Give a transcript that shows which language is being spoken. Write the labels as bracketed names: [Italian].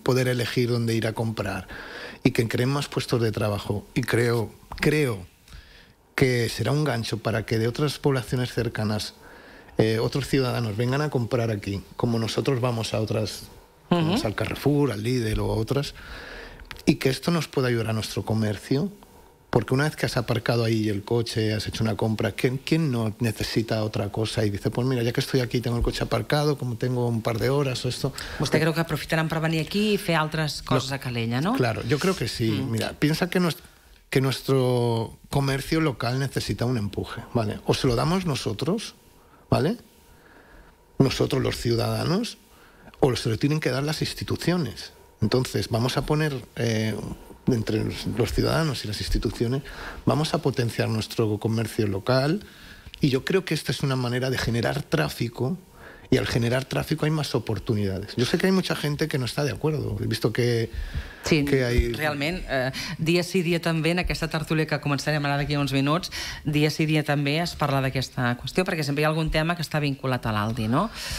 [Spanish] poder elegir dónde ir a comprar... y que creen más puestos de trabajo, y creo que será un gancho para que de otras poblaciones cercanas otros ciudadanos vengan a comprar aquí, como nosotros vamos a otras, uh-huh. vamos al Carrefour, al Lidl o a otras, y que esto nos pueda ayudar a nuestro comercio, porque una vez que has aparcado ahí el coche, has hecho una compra, ¿quién no necesita otra cosa? Y dice, pues mira, ya que estoy aquí, tengo el coche aparcado, como tengo un par de horas o esto... [Catalan] Vostè creu que aprofitaran per venir aquí i fer altres coses a Calella, no? [Spanish] Claro, yo creo que sí. Mm. Mira, piensa que que nuestro comercio local necesita un empuje, ¿vale? O se lo damos nosotros, ¿vale? Nosotros los ciudadanos, o se lo tienen que dar las instituciones. Entonces, vamos a poner, entre los ciudadanos y las instituciones, vamos a potenciar nuestro comercio local, y yo creo que esta es una manera de generar tráfico, y al generar tráfico hay más oportunidades. Yo sé que hay mucha gente que no está de acuerdo, he visto que... [Catalan] Sí, realment, dia sí, dia també, en aquesta tertúlia que començarem ara d'aquí uns minuts, dia sí, dia també es parla d'aquesta qüestió, perquè sempre hi ha algun tema que està vinculat a l'Aldi, no?